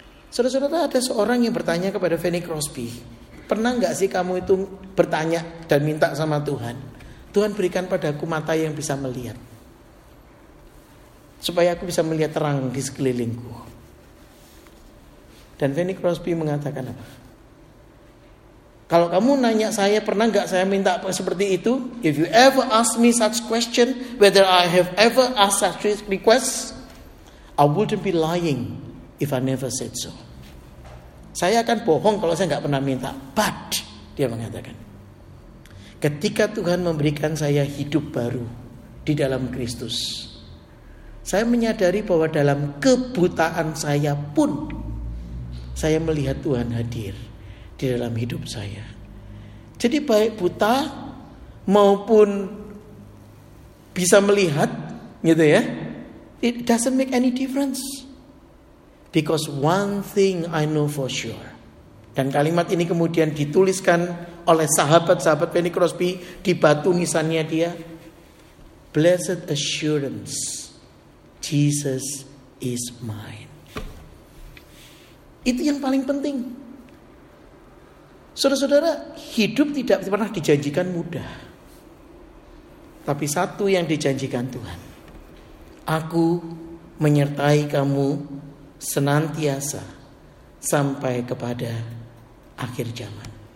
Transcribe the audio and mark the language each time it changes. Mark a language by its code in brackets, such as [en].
[id] Saudara-saudara, ada seorang yang bertanya kepada Fanny Crosby, pernah gak sih kamu itu bertanya dan minta sama Tuhan, Tuhan berikan padaku mata yang bisa melihat, supaya aku bisa melihat terang di sekelilingku. Dan Fanny Crosby mengatakan apa? Kalau kamu nanya saya, pernah gak saya minta seperti itu? [en] If you ever ask me such question, whether I have ever asked such request, I wouldn't be lying if I never said so. [id] Saya akan bohong kalau saya gak pernah minta. [en] But, [id] dia mengatakan, ketika Tuhan memberikan saya hidup baru di dalam Kristus, saya menyadari bahwa dalam kebutaan saya pun, saya melihat Tuhan hadir di dalam hidup saya. Jadi baik buta maupun bisa melihat, gitu ya, [en] it doesn't make any difference. Because one thing I know for sure. [id] Dan kalimat ini kemudian dituliskan oleh sahabat-sahabat Fanny Crosby di batu nisannya dia. [en] Blessed assurance, Jesus is mine. [id] Itu yang paling penting. Saudara-saudara, hidup tidak pernah dijanjikan mudah. Tapi satu yang dijanjikan Tuhan. Aku menyertai kamu senantiasa sampai kepada akhir zaman.